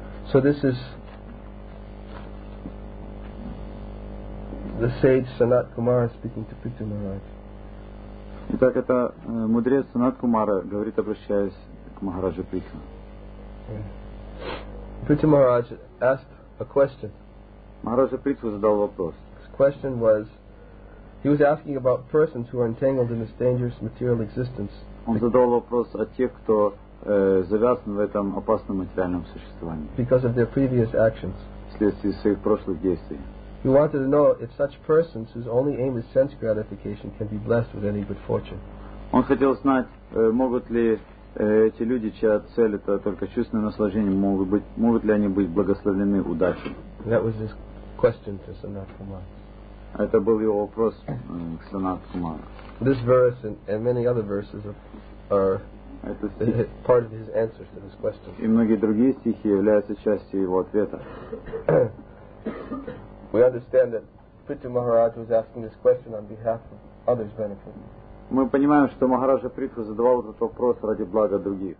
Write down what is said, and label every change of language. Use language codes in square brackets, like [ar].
[en] So this is the sage Sanat Kumara speaking to Prithu Maharaj. [ru] Итак, это мудрец Санат Кумара говорит, обращаясь к Махараджу Прихи. [en] Prithu Maharaj asked a question. [ru] Махараджа Прихи задал вопрос. [en] His question was, he was asking about persons who are entangled in this dangerous material existence. [ru] Он задал вопрос о тех, кто завязан в этом опасном материальном существовании. [en] Because of their previous actions. [ru] Вследствие своих прошлых действий. [en] He wanted to know if such persons whose only aim is sense gratification can be blessed with any good fortune. [ru] Он хотел знать, могут ли эти люди, чья цель это только чувственное наслаждение, могут ли они быть благословлены удачей? [en] That was his question to Sanat Kumar. [ru] Это был его вопрос к Санат Кумару. [en] This verse and many other verses are part of his answer to this question. [ru] И многие другие стихи являются частью его ответа. [en] We understand that Prithu Maharaj was asking this question on behalf of others' benefit. [ru] Мы понимаем, что Махараджа Притху задавал этот вопрос ради блага других.